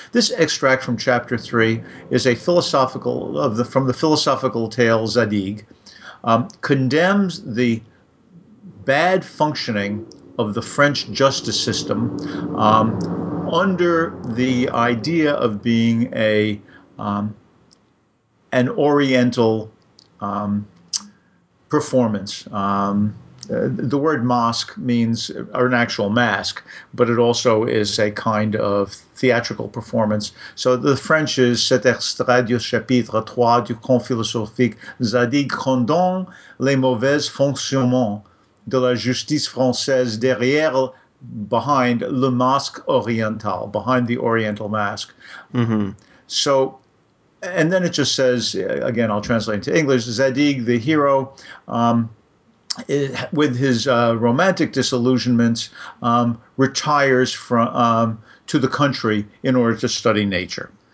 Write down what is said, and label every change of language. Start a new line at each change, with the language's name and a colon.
English: This extract from chapter 3 is a philosophical, from the philosophical tale Zadig, condemns the bad functioning of the French justice system under the idea of being an Oriental performance. The word mosque means, or an actual mask, but it also is a kind of theatrical performance. So the French is,
French: cet extrait du chapitre 3 du conte philosophique Zadig condamne les mauvais fonctionnements de la justice française derrière,
English: behind
French: le masque oriental,
English: behind the oriental mask. Mm-hmm. So, and then it just says, again, I'll translate into English, Zadig, the hero, with his romantic disillusionments, retires from to the country in order to study nature.